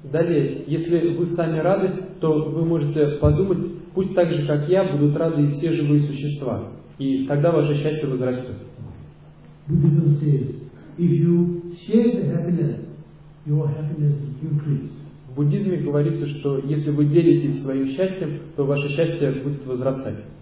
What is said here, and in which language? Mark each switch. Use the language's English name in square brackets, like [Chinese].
[Russian] Далее, если вы сами рады, то вы можете подумать, пусть так же, как я, будут рады и все живые существа. И тогда ваше счастье возрастет. [English] Buddhism says, if you share the happiness, your happiness increases. [Russian] В буддизме говорится, что если вы делитесь своим счастьем, то ваше счастье будет возрастать.